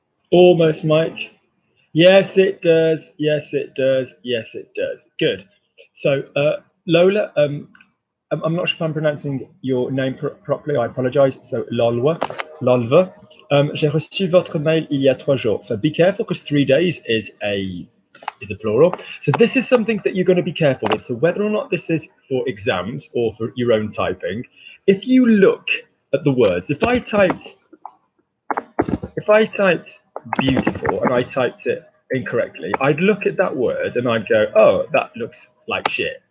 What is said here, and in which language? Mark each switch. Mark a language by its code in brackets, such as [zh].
[en] Almost, Mike. Yes, it does. Yes, it does. Yes, it does. Good. So, Lola, I'm not sure if I'm pronouncing your name properly. I apologize. So, Lolva. [fr] J'ai reçu votre mail il y a trois jours. [en] So, be careful because 3 days is a plural. So, this is something that you're going to be careful with. So, whether or not this is for exams or for your own typing, if you look at the words, if I typed beautiful and I typed it incorrectly, I'd look at that word and I'd go, oh, that looks like shit.